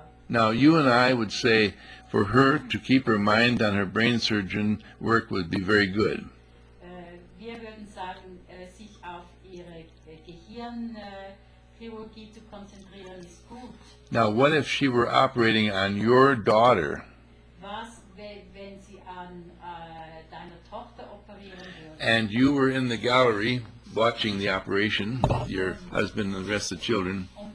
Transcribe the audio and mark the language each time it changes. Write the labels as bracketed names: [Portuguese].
[English] Now, you and I would say for her to keep her mind on her brain surgeon work would be very good. [German] Wir würden sagen, sich auf ihre Gehirnchirurgie zu konzentrieren ist gut. [English] Now, what if she were operating on your daughter? [German] Was, wenn sie an deiner Tochter operieren würde? [English] And you were in the gallery watching the operation, your husband and the rest of the children.